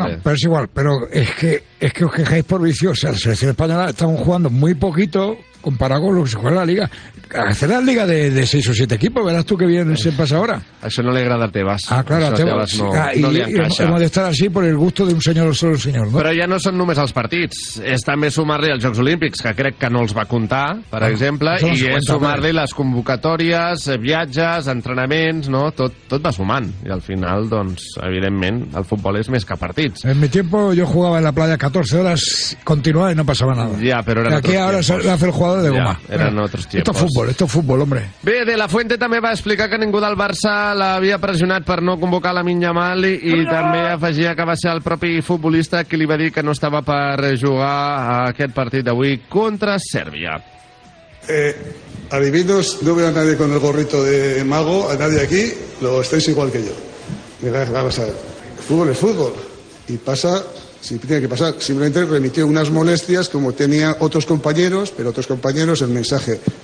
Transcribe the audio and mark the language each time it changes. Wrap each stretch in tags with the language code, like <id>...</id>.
<es>Bueno, pero es igual, pero es que os quejáis por vicio. O sea, la selección española estamos jugando muy poquito comparado con lo que se juega en la liga. Hacer la liga de 6 o 7 equipos, verás tú que bien se pasa ahora. A eso no le agrada a Tebas. Ah, claro, a Tebas no le encaixa. Y hemos de estar así por el gusto de un señor o solo un señor, ¿no?</es> <ca>Però ja no són només els partits, és també sumar-li als Jocs Olímpics, que crec que no els va comptar, per exemple, i és sumar-li les convocatòries, viatges, entrenaments, no? Tot va sumant. I al final, doncs, evidentment, el futbol és més que partits.</ca> <es>En mi tiempo yo jugaba en la playa 14 horas continuadas y no pasaba nada. Ya, pero eran aquí ahora se hace el jugador de goma. Ya, eran otros tiempos. Esto es fútbol, hombre.</es> <ca>Bé, De La Fuente també va explicar que ningú del Barça l'havia pressionat per no convocar Lamine Yamal i també afegia que va ser el propi futbolista qui li va dir que no estava per jugar a aquest partit d'avui contra Sèrbia.</ca> <es>Adivinos, no veo a nadie con el gorrito de mago, a nadie aquí, lo estáis igual que yo. Mira, vamos a ver. El fútbol es fútbol. Y pasa, si tiene que pasar, simplemente remitió unas molestias como tenía otros compañeros, pero otros compañeros el mensaje...</es>